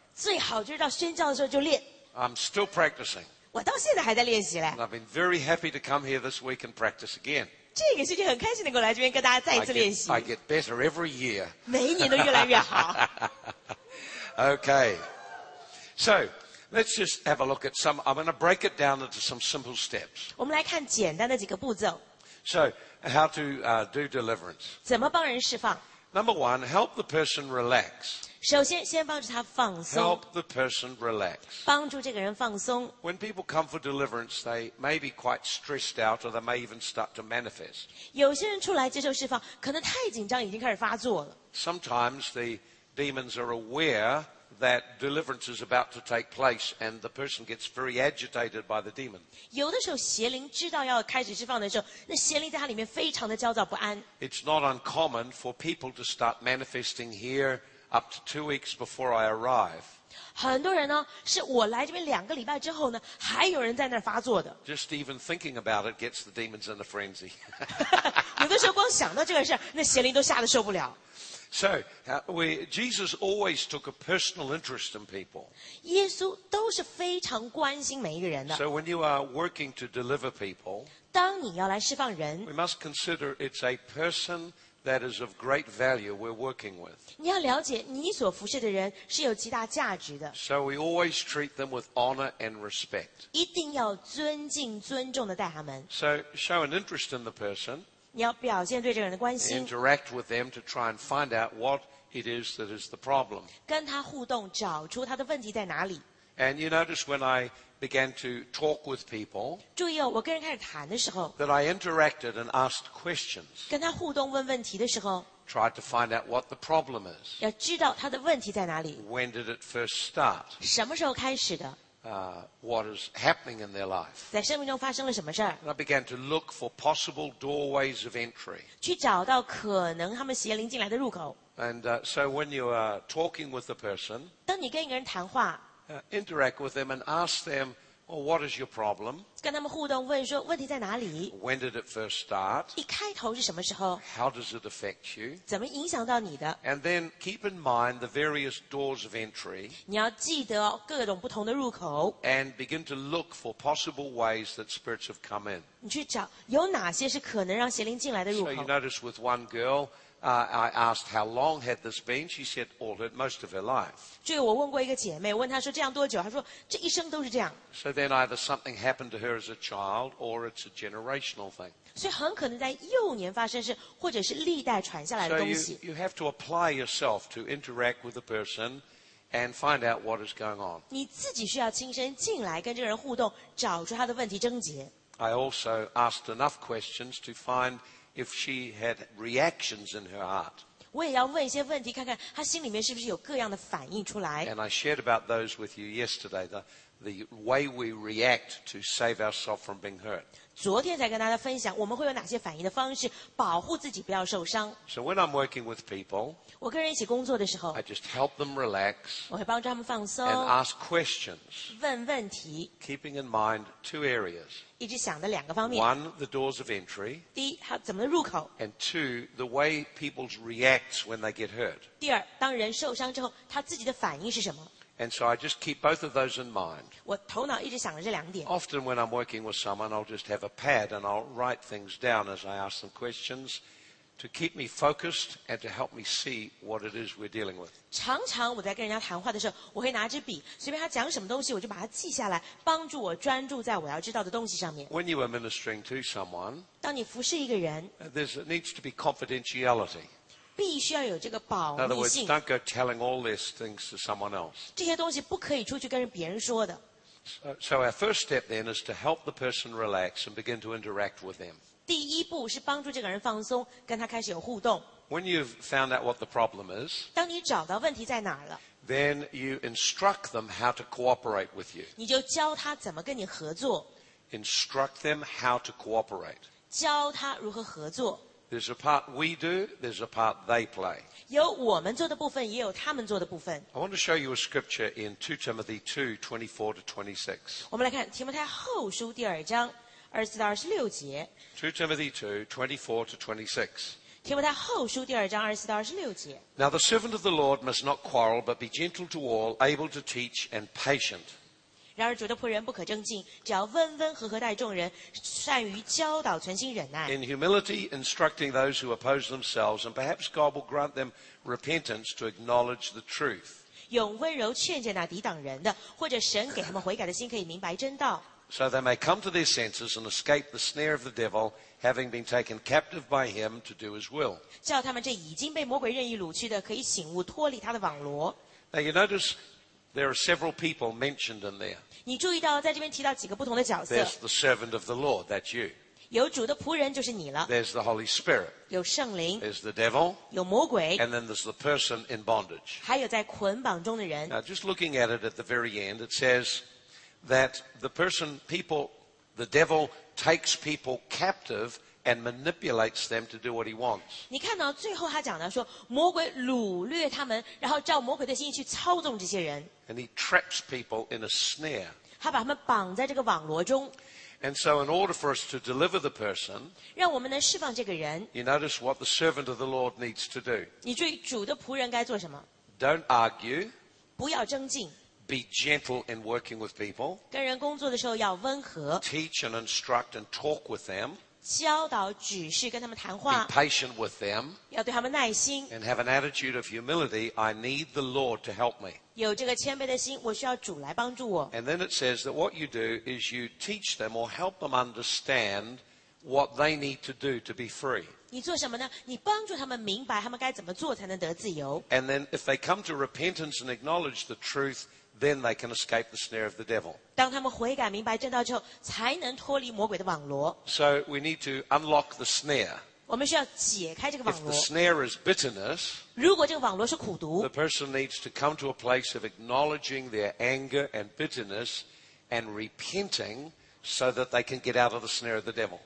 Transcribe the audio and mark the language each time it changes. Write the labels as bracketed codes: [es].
[zh] 最好就是到宣教的时候就练。 [en] I'm still practicing. [zh] 我到现在还在练习嘞。 [en] And I've been very happy to come here this week and practice again. [zh] 这个星期很开心能够来这边跟大家再一次练习。 [en] I get better every year. [zh] 每一年都越来越好。 [en] Okay. So, let's just have a look at some, I'm going to break it down into some simple steps. [zh] 我们来看简单的几个步骤。 [en] So, how to do deliverance. [zh] 怎么帮人释放。 [en] Number one, help the person relax. [zh] 首先先帮助他放松。 [en] Help the person relax. [zh] 帮助这个人放松。 [en] When people come for deliverance, they may be quite stressed out or they may even start to manifest. [zh] 有些人出来接受释放,可能太紧张已经开始发作了。 [en] Sometimes the demons are aware that deliverance is about to take place, and the person gets very agitated by the demon. [zh] 有的时候邪灵知道要开始释放的时候，那邪灵在他里面非常的焦躁不安。 [en] It's not uncommon for people to start manifesting here up to 2 weeks before I arrive. [zh] 很多人呢，是我来这边两个礼拜之后呢，还有人在那儿发作的。 [en] Just even thinking about it gets the demons in a frenzy. [zh] 有的时候光想到这个事，那邪灵都吓得受不了。 [en] So, Jesus always took a personal interest in people. [zh] 耶稣都是非常关心每一个人的。 [en] So when you are working to deliver people, [zh] 当你要来释放人 [en] we must consider it's a person that is of great value we're working with. [zh] 你要了解你所服侍的人是有极大价值的。 [en] So we always treat them with honor and respect. [zh] 一定要尊敬尊重地待他们。 [en] So show an interest in the person. [zh] 你要表现对这个人的关心 [en] interact with them to try and find out what it is that is the problem. [zh] 跟他互动，找出他的问题在哪里。 [en] And you notice when I began to talk with people, [zh] 注意哦，我跟人开始谈的时候 [en] that I interacted and asked questions. [zh] 跟他互动问问题的时候 [en] tried to find out what the problem is. [zh] 要知道他的问题在哪里。 [en] When did it first start? [zh] 什么时候开始的？ [en] What is happening in their life. [zh] 在生命中发生了什么事儿? [en] And I began to look for possible doorways of entry. [zh] 去找到可能他们邪灵进来的入口。 [en] And so when you are talking with the person, [zh] 当你跟一个人谈话, [en] interact with them and ask them, well, what is your problem? [zh] 跟他们互动问说问题在哪里? [en] When did it first start? [zh] 一开头是什么时候? [en] How does it affect you? [zh] 怎么影响到你的? [en] And then keep in mind the various doors of entry. [zh] 你要记得各种不同的入口。 [en] And begin to look for possible ways that spirits have come in. [zh] 你去找有哪些是可能让邪灵进来的入口。 [en] So you notice with one girl,I asked how long had this been? She said all her, most of her life. [zh] 就我问过一个姐妹，问她说这样多久？她说这一生都是这样。 [en] So then either something happened to her as a child, or it's a generational thing. [zh] 所以很可能在幼年发生事，或者是历代传下来的东西。 [en] So you have to apply yourself to interact with the person and find out what is going on. [zh] 你自己需要亲身进来跟这个人互动，找出他的问题症结。 [en] I also asked enough questions to find. If she had reactions in her heart. [zh] 我也要问一些问题，看看她心里面是不是有各样的反应出来。 [en] And I shared about those with you yesterday, the way we react to save ourselves from being hurt. [zh] 昨天才跟大家分享我们会有哪些反应的方式保护自己不要受伤。 [en] So when I'm working with people, [zh] 我跟人一起工作的时候 [en] I just help them relax, [zh] 我会帮助他们放松 [en] and ask questions, [zh] 问问题 [en] keeping in mind two areas. [zh] 一直想的两个方面 [en] One, the doors of entry. [zh] 第一，他怎么的入口 [en] And two, the way people react when they get hurt. [zh] 第二，当人受伤之后，他自己的反应是什么 [en] And so I just keep both of those in mind. [zh] 我头脑一直想着这两点 [en] Often when I'm working with someone, I'll just have a pad and I'll write things down as I ask them questions. To keep me focused and to help me see what it is we're dealing with. [zh] 常常我在跟人家谈话的时候，我会拿支笔，随便他讲什么东西，我就把它记下来，帮助我专注在我要知道的东西上面。 [en] When you are ministering to someone, [zh] 当你服侍一个人 [en] there needs to be confidentiality. [zh] 必须要有这个保密性。 [en] In other words, don't go telling all these things to someone else. [zh] 这些东西不可以出去跟别人说的。 [en] So our first step then is to help the person relax and begin to interact with them. [zh] 第一步是帮助这个人放松，跟他开始有互动。 [en] When you've found out what the problem is, [zh] 当你找到问题在哪儿了 [en] ，then you instruct them how to cooperate with you. [zh] 你就教他怎么跟你合作。 [en] Instruct them how to cooperate. [zh] 教他如何合作。 [en] There's a part we do, there's a part they play. [zh] 有我们做的部分，也有他们做的部分。 [en] I want to show you a scripture in 2 Timothy 2, 24 to 26. [zh] 我们来看提摩太后书第二章。 24-26节 [en] 2 Timothy 2, 24-26 [zh] 提摩太后书第二章24-26节 [en] Now the servant of the Lord must not quarrel, but be gentle to all, able to teach and patient. [zh] 然而主的仆人不可争竞，只要温温和和待众人，善于教导，存心忍耐。 [en] In humility, instructing those who oppose themselves, and perhaps God will grant them repentance to acknowledge the truth. [zh] 用温柔劝诫那抵挡人的，或者神给他们悔改的心，可以明白真道。 [en] So they may come to their senses and escape the snare of the devil, having been taken captive by him to do his will. [zh] 叫他们这已经被魔鬼任意掳去的，可以醒悟，脱离他的网罗。 [en] Now you notice there are several people mentioned in there. [zh] 你注意到在这边提到几个不同的角色。 [en] There's the servant of the Lord, that's you. [zh] 有主的仆人就是你了。 [en] There's the Holy Spirit. [zh] 有圣灵。 [en] There's the devil. [zh] 有魔鬼。 [en] And then there's the person in bondage. [zh] 还有在捆绑中的人。 [en] Now just looking at it at the very end, it says that the person, people, the devil takes people captive and manipulates them to do what he wants. [zh] 你看到最后他讲的说，魔鬼掳掠他们，然后照魔鬼的心意去操纵这些人。 [en] And he traps people in a snare. [zh] 他把他们绑在这个网罗中。 [en] And so in order for us to deliver the person, [zh] 让我们能释放这个人。 [en] You notice what the servant of the Lord needs to do. [zh] 你注意主的仆人该做什么？ [en] Don't argue. [zh] 不要争竞。 [en] Be gentle in working with people. [zh] 跟人工作的时候要温和。 [en] Teach and instruct and talk with them. [zh] 教导举事跟他们谈话。 [en] Be patient with them. [zh] 要对他们耐心。 [en] And have an attitude of humility. I need the Lord to help me. [zh] 有这个谦卑的心，我需要主来帮助我。 [en] And then it says that what you do is you teach them or help them understand what they need to do to be free. [zh] 你做什么呢？你帮助他们明白他们该怎么做才能得自由。 [en] And then if they come to repentance and acknowledge the truth, then they can escape the snare of the devil. [zh] 当他们悔改明白正道之后，才能脱离魔鬼的网罗。 [en] So we need to unlock the snare. [zh] 我们需要解开这个网罗。 [en] If the snare is bitterness, [zh] 如果这个网罗是苦毒， [en] the person needs to come to a place of acknowledging their anger and bitterness and repenting. So that they can get out of the snare of the devil.